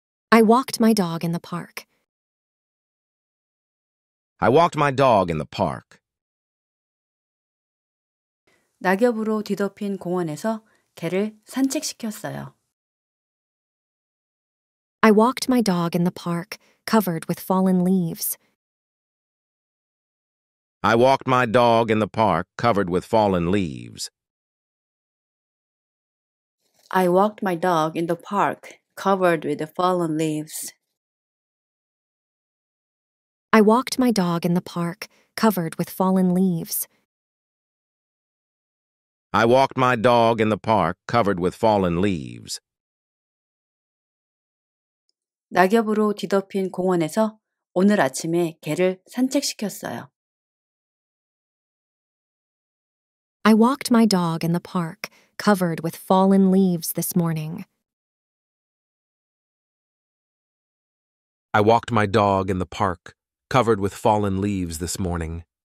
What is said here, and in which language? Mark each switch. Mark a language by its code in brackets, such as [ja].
[en] I walked my dog in the park. I walked my dog in the park. [ko] 낙엽으로 뒤덮인 공원에서 개를 산책시켰어요. [en] I walked my dog in the park, covered with fallen leaves. I walked my dog in the park, covered with fallen leaves. I walked my dog in the park. Covered with the fallen leaves. I walked my dog in the park, covered with fallen leaves. I walked my dog in the park, covered with fallen leaves. [ko] 낙엽으로 뒤덮인 공원에서 오늘 아침에 개를 산책시켰어요. [en] I walked my dog in the park, covered with fallen leaves this morning. I walked my dog in the park, covered with fallen leaves this morning.